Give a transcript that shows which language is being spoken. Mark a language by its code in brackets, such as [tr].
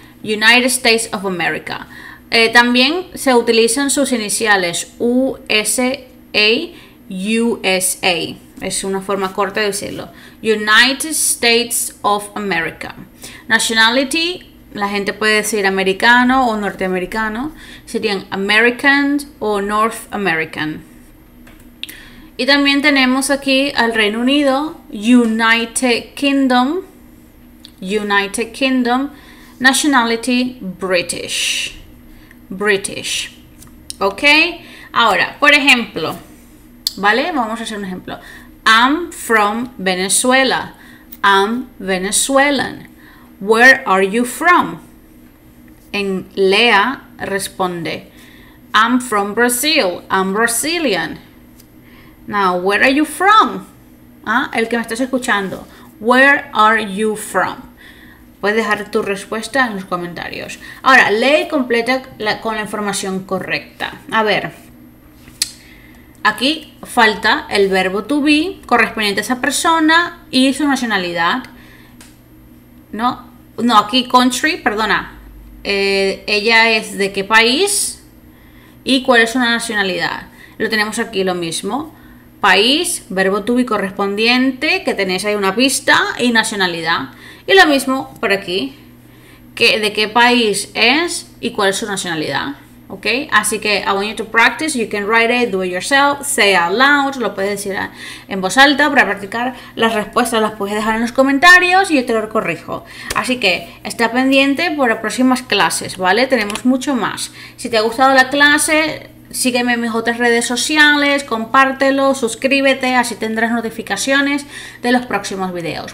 [en] United States of America. [es] También se utilizan sus iniciales USA, USA. Es una forma corta de decirlo. United States of America. Nationality, La gente puede decir americano o norteamericano. Serían American o North American. Y también tenemos aquí al Reino Unido, United Kingdom. [en] United Kingdom. Nationality, British. British. Ok. [es] Ahora, por ejemplo. ¿Vale? Vamos a hacer un ejemplo. [en] I'm from Venezuela. I'm Venezuelan. Where are you from? [es] En Lea responde, [en] I'm from Brazil. I'm Brazilian. Now, where are you from? ¿Ah? [es] El que me estás escuchando. [en] Where are you from? [es] Puedes dejar tu respuesta en los comentarios. Ahora, lee y completa con la información correcta. A ver, aquí falta el verbo to be correspondiente a esa persona y su nacionalidad. No, no, aquí country, perdona. Ella es de qué país y cuál es su nacionalidad. Lo tenemos aquí lo mismo. País, verbo to be correspondiente, que tenéis ahí una pista, y nacionalidad. Y lo mismo por aquí, que de qué país es y cuál es su nacionalidad. ¿Ok? Así que [en] I want you to practice. You can write it, do it yourself, say out loud. [es] Lo puedes decir en voz alta para practicar. Las respuestas las puedes dejar en los comentarios y yo te lo corrijo. Así que está pendiente para próximas clases, ¿vale? Tenemos mucho más. Si te ha gustado la clase, sígueme en mis otras redes sociales, compártelo, suscríbete, así tendrás notificaciones de los próximos videos.